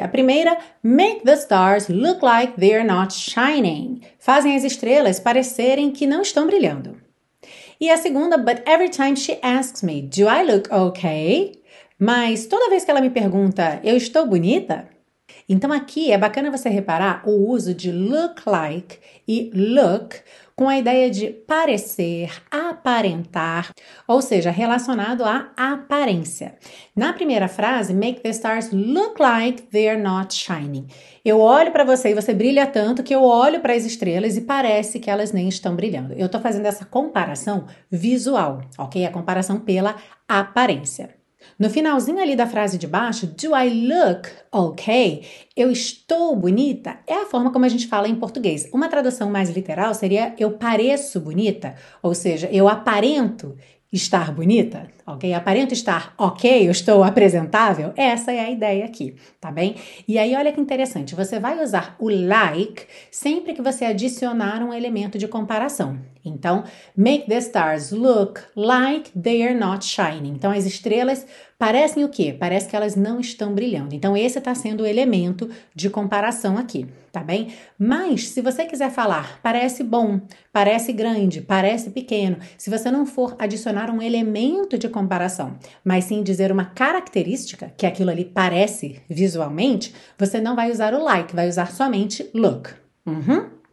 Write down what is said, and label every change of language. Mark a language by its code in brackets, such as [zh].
[pt] A primeira, [en] make the stars look like they're not shining. [pt] Fazem as estrelas parecerem que não estão brilhando. E a segunda, [en] but every time she asks me, do I look okay? [pt] Mas toda vez que ela me pergunta, eu estou bonita? Então aqui é bacana você reparar o uso de look like e look com a ideia de parecer, aparentar, ou seja, relacionado à aparência. Na primeira frase, [en] make the stars look like they're not shining. [pt] Eu olho para você e você brilha tanto que eu olho para as estrelas e parece que elas nem estão brilhando. Eu estou fazendo essa comparação visual, ok? A comparação pela aparência. No finalzinho ali da frase de baixo, [en] do I look okay? [pt] Eu estou bonita? É a forma como a gente fala em português. Uma tradução mais literal seria eu pareço bonita, ou seja, eu aparento estar bonita, ok? Aparento estar ok, eu estou apresentável? Essa é a ideia aqui, tá bem? E aí olha que interessante, você vai usar o like sempre que você adicionar um elemento de comparação. Então, [en] make the stars look like they're not shining. [pt] Então, as estrelas parecem o quê? Parece que elas não estão brilhando. Então, esse está sendo o elemento de comparação aqui, tá bem? Mas, se você quiser falar, parece bom, parece grande, parece pequeno, se você não for adicionar um elemento de comparação, mas sim dizer uma característica, que aquilo ali parece visualmente, você não vai usar o like, vai usar somente look. Uhum.